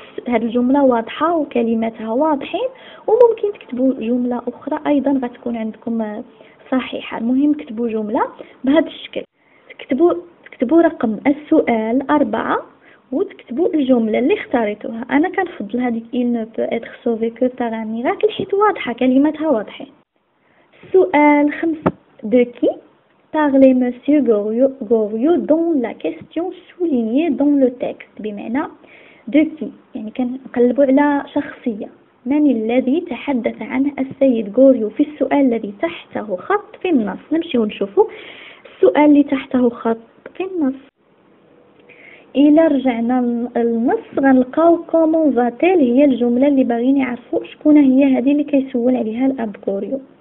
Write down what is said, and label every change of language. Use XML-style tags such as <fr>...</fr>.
<ar>هاد الجملة واضحة وكلماتها واضحين، وممكن تكتبوا جملة أخرى أيضا غتكون عندكم صحيحة. المهم كتبوا جملة بهذا الشكل، تكتبوا رقم السؤال 4 وتكتبوا الجملة اللي اختاريتوها. أنا كنفضل هذيك</ar> <fr>il ne peut être sauvé que par un miracle،</fr> <ar>حيت واضحة كلماتها واضحين.</ar> <fr>سؤال 5، de qui parlait monsieur Goriot dont la question soulignée dans le texte.</fr> <ar>بمعنى de qui، يعني كنقلبوا على شخصية. من الذي تحدث عنه السيد غوريو في السؤال الذي تحته خط في النص؟ نمشي ونشوفه. السؤال اللي تحته خط في النص، إلى رجعنا النص غنلقاو</ar> <fr>كومون فاتيل،</fr> <ar>هي الجملة اللي باغيين يعرفوا شكون هي هذه اللي كيسول عليها الأب غوريو.</ar>